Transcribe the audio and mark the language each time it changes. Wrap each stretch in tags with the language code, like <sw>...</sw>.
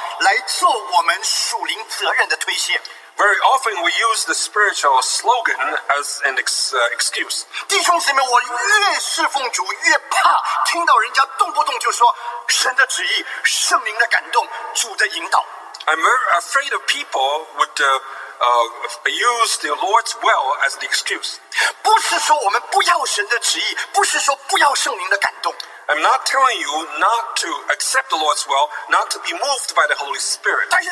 <zh>今天我们多么容易用属灵的口号来做我们属灵责任的推卸。</zh> <en>Very often we use the spiritual slogan as an excuse.</en> <zh>弟兄姊妹,我越侍奉主,越怕听到人家动不动就说神的旨意,圣灵的感动,主的引导。</zh> <en>I'm very afraid of people would use the Lord's will as an excuse.</en> <zh>不是说我们不要神的旨意,不是说不要圣灵的感动。</zh> <en>I'm not telling you not to accept the Lord's will, not to be moved by the Holy Spirit.</en>